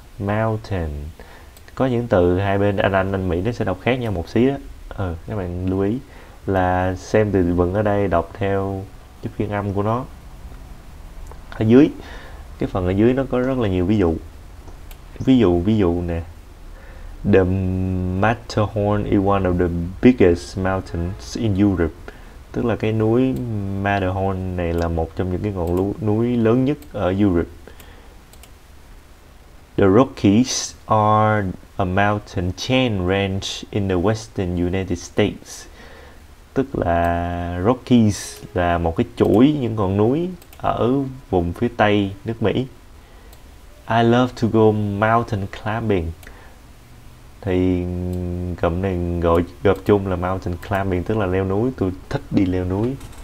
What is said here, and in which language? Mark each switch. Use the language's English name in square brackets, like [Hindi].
[English] Mountain. [Vietnamese] Có những từ hai bên Anh Mỹ nó sẽ đọc khác nhau một xí á. Các bạn lưu ý là xem từ vựng ở đây đọc theo cái phiên âm của nó. Ở dưới cái phần ở dưới nó có rất là nhiều ví dụ. Ví dụ nè. [English] The Matterhorn is one of the biggest mountains in Europe. [Vietnamese] Tức là cái núi Matterhorn này là một trong những cái ngọn núi lớn nhất ở Europe. [English] The Rockies are a mountain chain range in the western United States. [Vietnamese] Tức là Rockies là một cái chuỗi những con núi ở vùng phía tây nước Mỹ. [English] I love to go mountain climbing. [Vietnamese] Thì cụm này gọi gộp chung là mountain climbing, tức là leo núi, tôi thích đi leo núi.